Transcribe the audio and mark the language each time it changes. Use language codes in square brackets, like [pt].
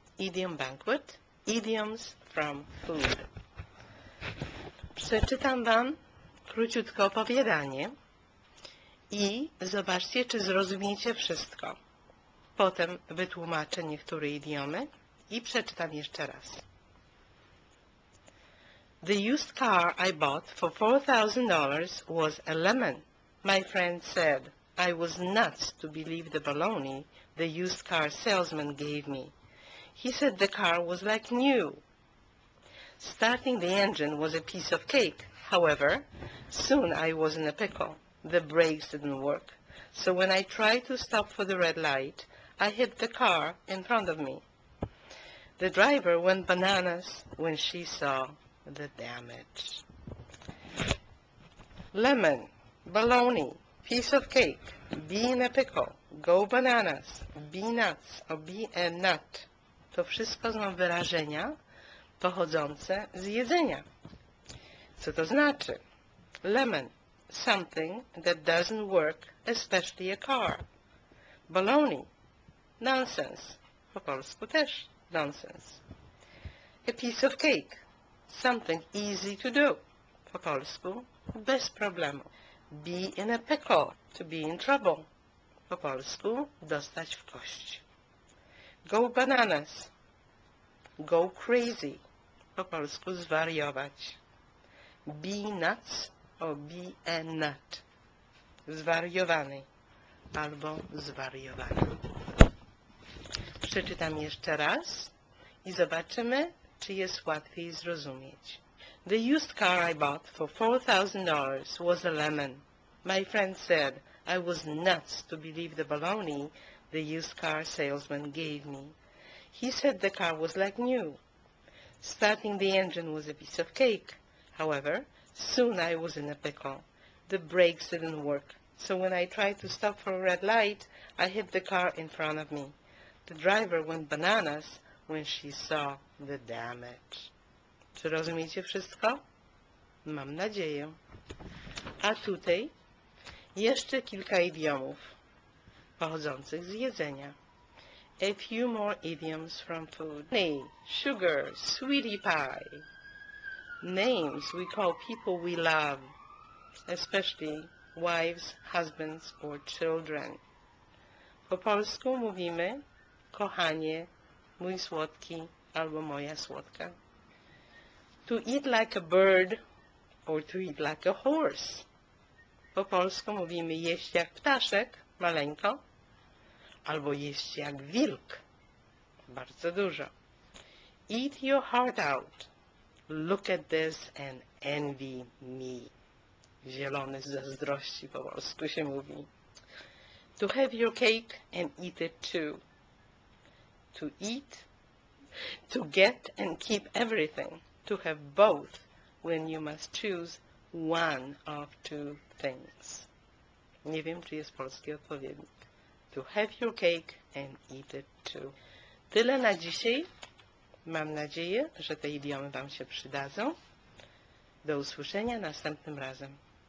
[en] Idiom banquet. Idioms from food. [pl] Przeczytam Wam króciutko opowiadanie i zobaczcie, czy zrozumiecie wszystko. Potem wytłumaczę niektóre idiomy i przeczytam jeszcze raz. [en] The used car I bought for $4,000 was a lemon. My friend said, I was nuts to believe the baloney the used car salesman gave me. He said the car was like new. Starting the engine was a piece of cake. However, soon I was in a pickle. The brakes didn't work. So when I tried to stop for the red light, I hit the car in front of me. The driver went bananas when she saw the damage. Lemon, baloney, piece of cake, be in a pickle, go bananas, be nuts, or be a nut. [pl] To wszystko są wyrażenia pochodzące z jedzenia. Co to znaczy? [en] Lemon, something that doesn't work, especially a car. Baloney, nonsense, [pl] po polsku też nonsense. [en] A piece of cake, something easy to do, [pl] po polsku bez problemu. [en] Be in a pickle, to be in trouble, [pl] po polsku dostać w kość. [en] Go bananas, go crazy, [pl] po polsku zwariować. [en] Be nuts or be a nut, [pl] zwariowany albo zwariowany. Przeczytam jeszcze raz i zobaczymy, czy jest łatwiej zrozumieć. [en] The used car I bought for $4,000 was a lemon. My friend said, I was nuts to believe the baloney the used car salesman gave me. He said the car was like new. Starting the engine was a piece of cake. However, soon I was in a pickle. The brakes didn't work. So when I tried to stop for a red light, I hit the car in front of me. The driver went bananas when she saw the damage. [pl] Czy rozumiecie wszystko? Mam nadzieję. A tutaj jeszcze kilka idiomów pochodzących z jedzenia. [en] A few more idioms from food. Honey, sugar, sweetie pie. Names we call people we love, especially wives, husbands or children. [pl] Po polsku mówimy kochanie, mój słodki albo moja słodka. [en] To eat like a bird or to eat like a horse. [pl] Po polsku mówimy jeść jak ptaszek, maleńko, albo jeść jak wilk, bardzo dużo. [en] Eat your heart out. Look at this and envy me. [pl] Zielony z zazdrości po polsku się mówi. [en] To have your cake and eat it too. To eat, to get and keep everything. To have both when you must choose one of two things. [pl] Nie wiem, czy jest polski odpowiednik. [en] To have your cake and eat it too. [pl] Tyle na dzisiaj. Mam nadzieję, że te idiomy Wam się przydadzą. Do usłyszenia następnym razem.